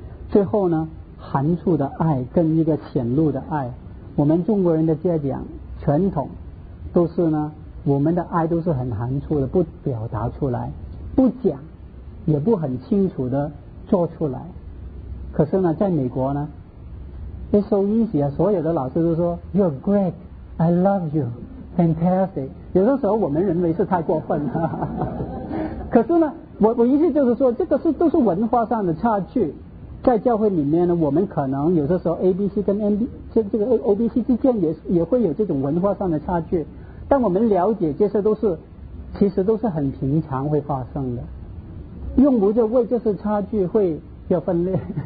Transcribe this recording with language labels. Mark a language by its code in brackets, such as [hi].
[zh] 最后呢，含蓄的爱跟一个显露的爱，我们中国人的家长传统都是呢，我们的爱都是很含蓄的，不表达出来，不讲，也不很清楚的做出来。可是呢，在美国呢 ， [en] it's so easy [zh] 啊！所有的老师都说 [en] "You're great, I love you, fantastic"。 [zh] 有的时候我们认为是太过分了。可是呢，我意思就是说，这个都是文化上的差距。在教会里面呢，我们可能有的时候 A B C 跟 N B 这个 O B C 之间也会有这种文化上的差距。但我们了解这些都是其实都是很平常会发生的，用不着为这些差距会要分裂。